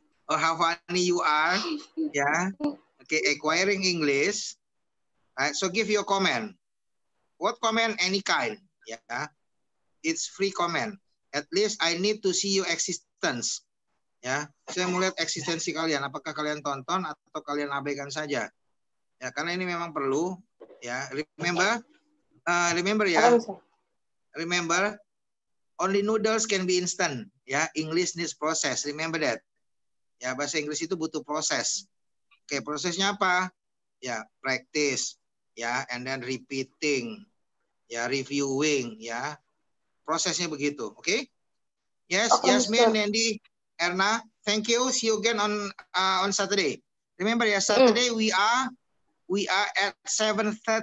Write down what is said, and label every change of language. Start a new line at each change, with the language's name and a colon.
English: Or how funny you are, ya. Okay, acquiring English. Right, so give your comment. What comment? Any kind. Yeah. It's free comment. At least I need to see your existence.
Indonesian: Yeah. Saya mau lihat eksistensi kalian. Apakah kalian tonton atau kalian abaikan saja? Ya, karena ini memang perlu.
English: Ya. Remember. Remember ya. Remember. Only noodles can be instant. Ya. Yeah. English needs process. Remember that. Ya.
Indonesian: Yeah, bahasa Inggris itu butuh proses. Okay, prosesnya apa? Ya.
English: Yeah, practice. Ya, yeah, and then repeating, ya, yeah, reviewing, ya, yeah.
Indonesian: Prosesnya begitu, oke?
English: Okay? Yes, okay, Yasmin, Nandi, Erna, thank you. See you again on Saturday. Remember ya, Saturday we are at 7:30.